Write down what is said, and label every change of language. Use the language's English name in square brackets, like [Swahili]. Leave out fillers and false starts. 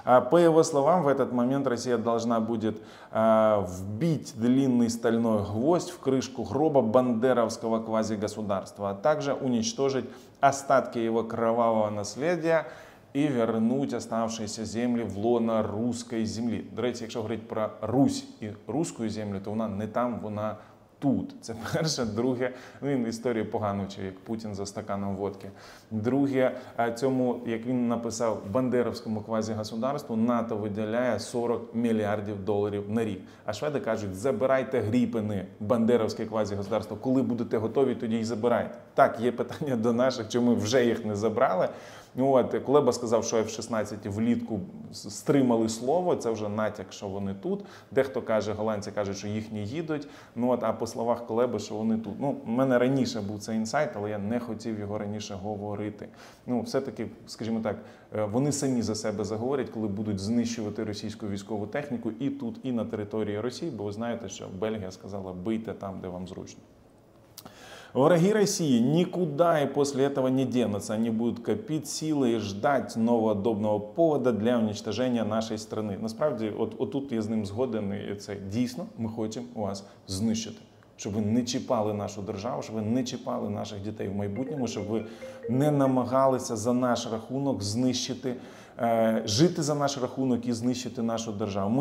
[Russian] По его словам, в этот момент Россия должна будет вбить длинный стальной гвоздь в крышку гроба бандеровского квазигосударства, а также уничтожить остатки его кровавого наследия и вернуть оставшиеся земли в лоно русской земли. [Ukrainian] До речі, якщо говорити про Русь і русську землю, то вона не там, вона тут. Це перше. Друге, він історію погано вчив, як Путін за стаканом водки. Друге, цьому, як він написав, бандеровському квазі-государству НАТО виділяє 40 мільярдів доларів на рік. А шведи кажуть, забирайте гріпини, бандеровське квазі-государство, коли будете готові, тоді й забирайте. Так, є питання до наших, чому ми вже їх не забрали. От, Кулеба сказав, що F-16 влітку стримали слово, це вже натяк, що вони тут. Дехто каже, голландці кажуть, що їхні їдуть, а по словах Кулеби, що вони тут. Ну, у мене раніше був цей інсайт, але я не хотів його раніше говорити. Ну, все-таки, скажімо так, вони самі за себе заговорять, коли будуть знищувати російську військову техніку і тут, і на території Росії, бо ви знаєте, що Бельгія сказала, бийте там, де вам зручно. [Russian] Враги России никуда и после этого не денутся. Они будут копить силы и ждать нового удобного повода для уничтожения нашей страны. [Ukrainian] Насправді, отут я з ним згоден, і це дійсно, ми хочемо вас знищити. Щоб ви не чіпали нашу державу, щоб ви не чіпали наших дітей в майбутньому, щоб ви не намагалися за наш рахунок знищити, жити за наш рахунок і знищити нашу державу.